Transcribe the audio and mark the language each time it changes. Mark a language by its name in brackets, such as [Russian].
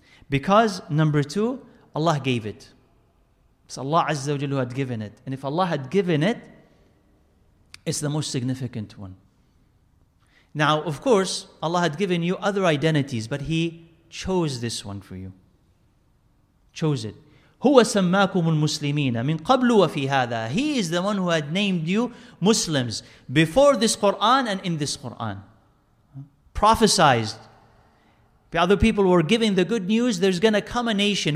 [English] Because number two, Allah gave it. It's Allah Azza wa Jalla who had given it. And if Allah had given it, it's the most significant one. Now, of course, Allah had given you other identities, but He chose this one for you. Chose it. [Arabic] هو سماكم المسلمين من قبل وفي هذا. [English] He is the one who had named you Muslims before this Quran and in this Quran. Prophesized. The other people were giving the good news. There's going to come a nation.